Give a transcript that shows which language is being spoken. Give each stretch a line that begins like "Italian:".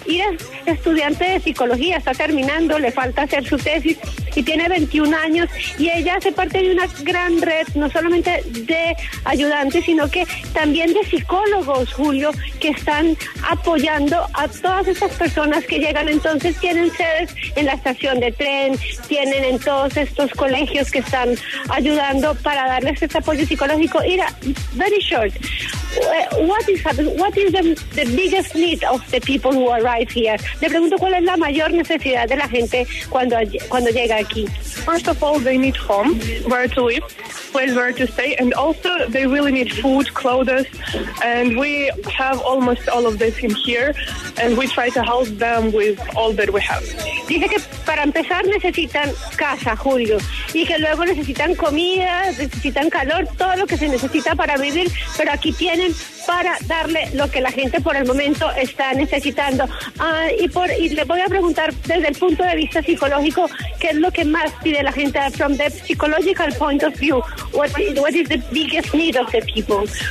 Spanish: Ira es estudiante de psicología, está terminando, le falta hacer su tesis y tiene 21 años, y ella hace parte de una gran red, no solamente de ayudantes, sino que también de psicólogos, Julio, que están apoyando a todas esas personas que llegan. Entonces tienen sedes en la estación de tren, tienen en todos estos colegios que están ayudando para darles este apoyo psicológico.
English: Ira, very short, what is the biggest need of the people who arrive here?
Spanish: Le pregunto, ¿cuál es la mayor necesidad de la gente cuando llega aquí?
English: First of all, they need home, where to live, place where to stay, and also they really need food, clothes, and we have almost all of this in here, and we try to help them with all that we have.
Spanish: Dice que para empezar necesitan casa, Julio, y que luego necesitan comida, necesitan calor, todo lo que se necesita para vivir, pero aquí tienen para darle lo que la gente por el momento está necesitando. Y le voy a preguntar desde el punto de vista psicológico, ¿qué es lo que más pide la gente?
English: From the psychological point of view, what is the biggest need of the people?